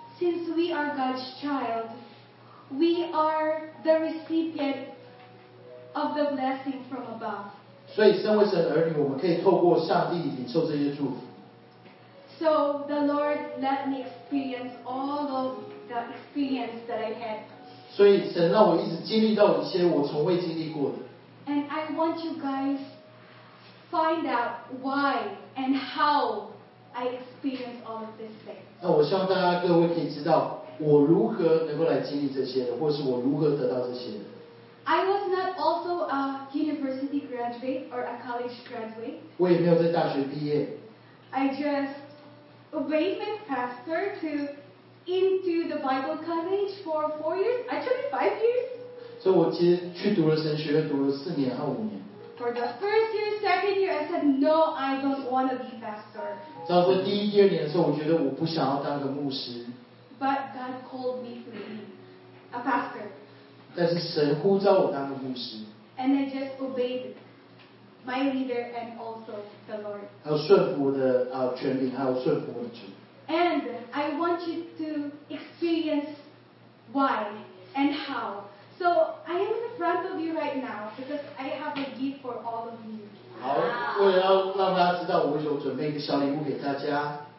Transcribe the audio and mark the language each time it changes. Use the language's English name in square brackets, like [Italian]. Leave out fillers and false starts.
[English] Since we are God's child, we are the recipient of the blessing from above. [Chinese] 所以身为神儿女，我们可以透过上帝领受这些祝福。 [English] So the Lord let me experience all of the experience that I had. [Chinese] 所以神让我一直经历到一些我从未经历过的。 [English] And I want you guys find out why and how I experience all of this thing. [Chinese] 那我希望大家各位可以知道我如何能够来经历这些的，或是我如何得到这些的。 [English] I was not also a university graduate or a college graduate. [Chinese] 我也没有在大学毕业。 [English] I just obeyed my pastor to into the Bible college for 4 years. Actually, 5 years. [Chinese] 所以我其实去读了神学院，读了4年和5年。 [English] For the first year, second year, I said no, I don't want to be pastor. [Chinese] 在这第一、第二年的时候，我觉得我不想要当个牧师。 [English] But God called me to be a pastor. [Chinese] 但是神呼召我当个牧师。 [English] And I just obeyed my leader and also the Lord. [Chinese] 还有顺服的权柄，还有顺服我的主。 [English] And I want you to experience why and how. So I am in front of you right now because I have a gift for all of you. [Chinese] 好，为了让大家知道，我有准备一个小礼物给大家。